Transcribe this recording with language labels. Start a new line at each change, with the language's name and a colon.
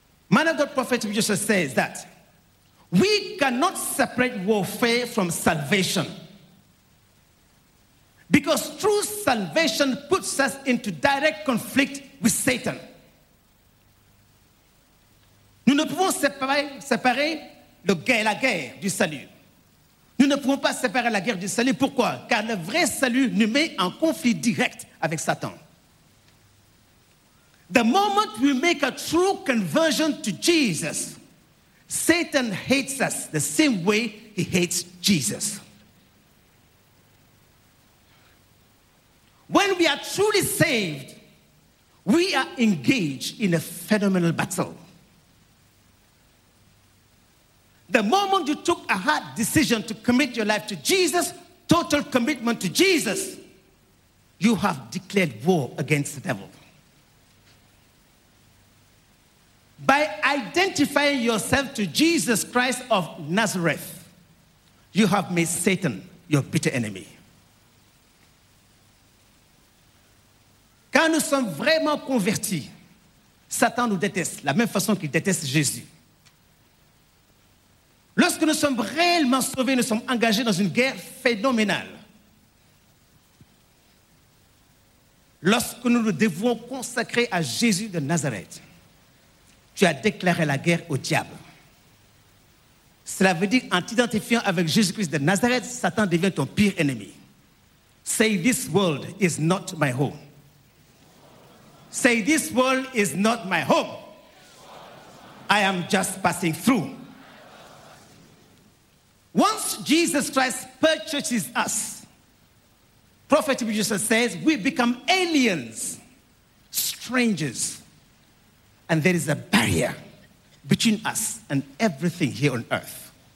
English: Man of God, prophet Joshua says that we cannot separate warfare from salvation, because true salvation puts us into direct conflict with Satan.
French: Nous ne pouvons séparer la guerre du salut. Nous ne pouvons pas séparer la guerre du salut. Pourquoi? Car le vrai salut nous met en conflit direct avec Satan.
English: The moment we make a true conversion to Jesus, Satan hates us the same way he hates Jesus. When we are truly saved, we are engaged in a phenomenal battle. The moment you took a hard decision to commit your life to Jesus, total commitment to Jesus, you have declared war against the devil. By identifying yourself to Jesus Christ of Nazareth, you have made Satan your bitter enemy.
French: Quand nous sommes vraiment convertis, Satan nous déteste, la même façon qu'il déteste Jésus. Lorsque nous sommes réellement sauvés, nous sommes engagés dans une guerre phénoménale. Lorsque nous nous devons consacrer à Jésus de Nazareth, tu as déclaré la guerre au diable. Cela veut dire, en t'identifiant avec Jésus-Christ de Nazareth, Satan devient ton pire ennemi.
English: Say, this world is not my home. Say, this world is not my home. I am just passing through. Once Jesus Christ purchases us, Prophet Jesus says, we become aliens, strangers, and there is a barrier between us and everything here on earth.